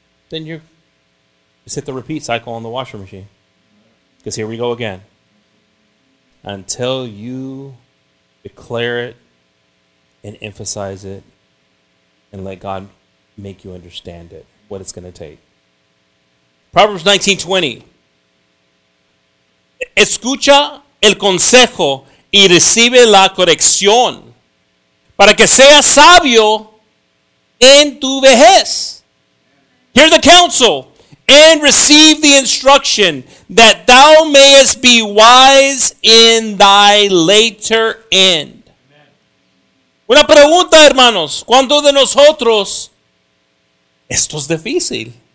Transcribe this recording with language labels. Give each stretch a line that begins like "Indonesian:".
English: Then you just hit the repeat cycle on the washer machine. Because here we go again. Until you declare it and emphasize it and let God make you understand it, what it's going to take. Proverbs 19:20.
Spanish: Escucha el consejo y recibe la corrección para que seas sabio en tu vejez.
English: Hear the counsel and receive the instruction that thou mayest be wise in thy later end.
Spanish: Amen. Una pregunta, hermanos. ¿Cuántos de nosotros? Esto es difícil.